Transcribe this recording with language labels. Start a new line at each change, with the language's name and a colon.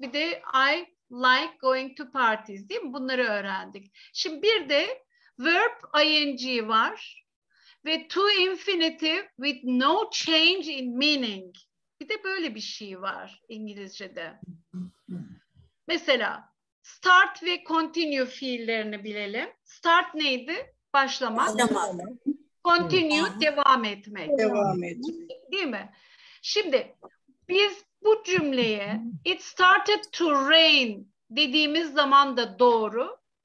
Turkish: Bir de
English: I like going to parties,
Turkish: değil mi? Bunları öğrendik. Şimdi bir de verb ing var.
English: Ve to infinitive with no change in meaning.
Turkish: Bir de böyle bir şey var İngilizce'de. Mesela start ve continue fiillerini bilelim. Start neydi? Başlamak. Continue, devam etmek. Devam etmek. Değil mi? Şimdi biz bu cümleye
English: it started to rain
Turkish: dediğimiz zaman da doğru.